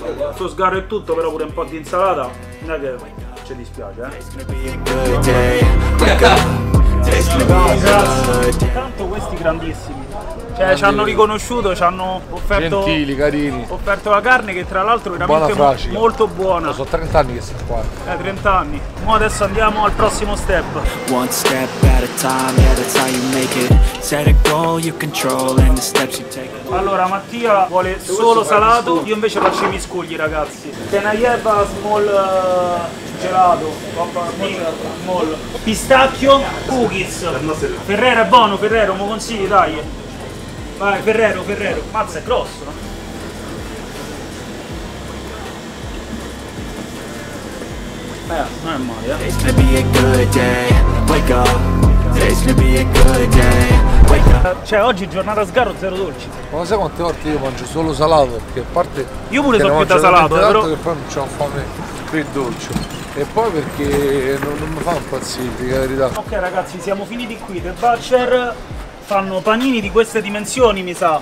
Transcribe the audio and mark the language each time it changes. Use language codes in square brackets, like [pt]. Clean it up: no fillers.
[it] Il suo sgarro è tutto, però pure un po' di insalata. Non è che ci dispiace, eh. Intanto questi grandissimi, cioè, ci hanno riconosciuto, ci hanno offerto, gentili, carini, offerto la carne che tra l'altro è veramente molto buona. Sono 30 anni che sto qua. 30 anni. Mo adesso andiamo al prossimo step. [en] One step at a time, yeah, that's how you make it. Set a goal you control and the steps you take. [it] Allora Mattia vuole solo salato, io invece faccio i miscugli, ragazzi. [en] Tenayeva small gelato, small pistacchio cookies. [it] Ferrero è buono, Ferrero, mo consigli, dai. Vai, Ferrero, mazza, è grosso, no? Non è male, eh. [en] It's gonna be a good day, wake up. [it] Cioè oggi giornata sgarro, zero dolci. Ma lo sai quante volte io mangio solo salato? Perché a parte io pure so più da salato, però che poi non c'ho fame per il dolce. E poi perché non mi fa impazzire, la verità. Ok ragazzi, siamo finiti qui. The Butcher fanno panini di queste dimensioni, mi sa.